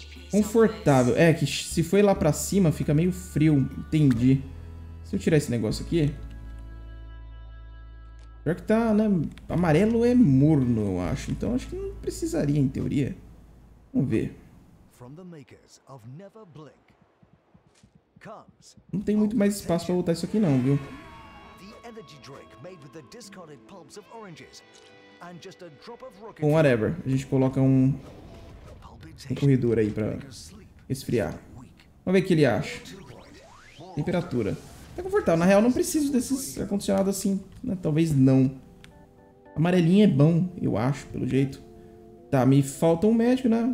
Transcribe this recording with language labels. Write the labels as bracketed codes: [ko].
[pt] Confortável. É, que se foi lá pra cima, fica meio frio. Entendi. Se eu tirar esse negócio aqui... Pior que tá, né? Amarelo é morno, eu acho. Então, acho que não precisaria, em teoria. Vamos ver. [en] From the makers of Never Blink. [pt] Não tem muito mais espaço pra botar isso aqui não, viu? [en] The energy drink made with the discarded pulps of oranges and just a drop of rocket. [pt] Bom, whatever. A gente coloca um corredor aí pra esfriar. Vamos ver o que ele acha. Temperatura. Tá confortável. Na real, não preciso desses ar-condicionado assim. Né? Talvez não. Amarelinho é bom, eu acho, pelo jeito. Tá, me falta um médico, né?